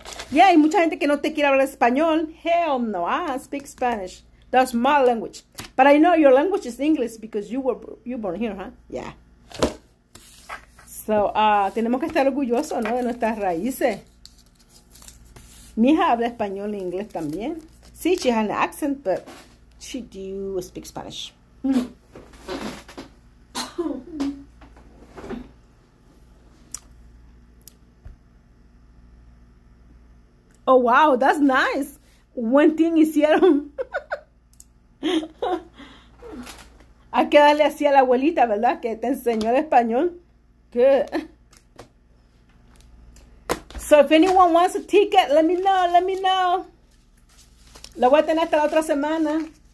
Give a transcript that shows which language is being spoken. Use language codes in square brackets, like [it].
[es] Ya, hay mucha gente que no te quiere hablar español. [en] Hell no, I speak Spanish. That's my language. But I know your language is English because you born here, huh? Yeah. [es] So, tenemos que estar orgullosos, ¿no? De nuestras raíces. Mi hija habla español e inglés también. Sí, [en] she has an accent, but she do speak Spanish. Oh, wow, that's nice. Buen thing [es] hicieron. Hay que darle así a la abuelita, ¿verdad? Que te enseñó el español. [en] Good. So, if anyone wants a ticket, let me know, let me know. [es] La voy a tener hasta la otra semana.